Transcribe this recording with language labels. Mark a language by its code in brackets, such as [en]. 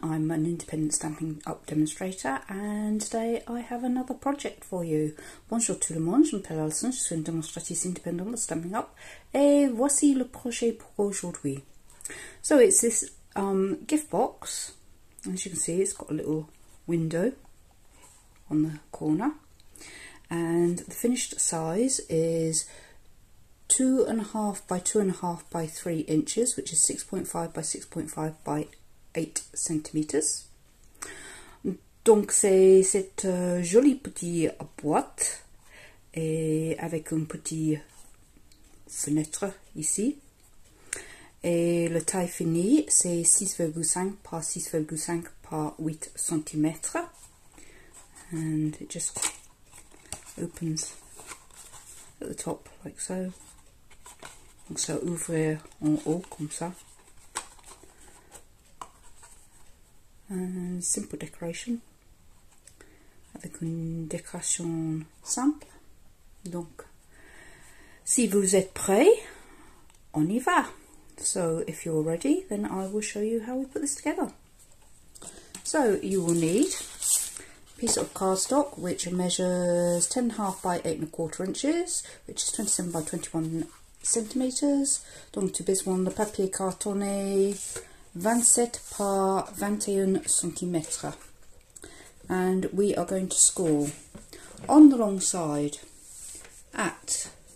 [en] I'm an independent Stampin Up demonstrator and today I have another project for you. [fr] Bonjour tout le monde, je m'appelle Alison, je suis une démonstratrice indépendante de Stampin Up et voici le projet pour aujourd'hui. [en] So it's this gift box. As you can see, it's got a little window on the corner and the finished size is 2.5 by 2.5 by 3 inches, which is 6.5 by 6.5 by 8 centimeters. [fr] Donc c'est cette jolie petite boîte et avec une petite fenêtre ici. Et le taille finie c'est 6.5 par 6.5 par 8 centimeters. [en] And it just opens at the top like so. [fr] Donc ça ouvre en haut comme ça. [en] And simple decoration. [fr] Avec une décoration simple. Donc, si vous êtes prêts, on y va. [en] So, if you're ready, then I will show you how we put this together. So, you will need a piece of cardstock which measures 10.5 by 8.25 inches, which is 27 by 21 centimeters. [fr] Donc tu besoin de papier cartonné 27 par 21 centimeters, [en] and we are going to score on the long side at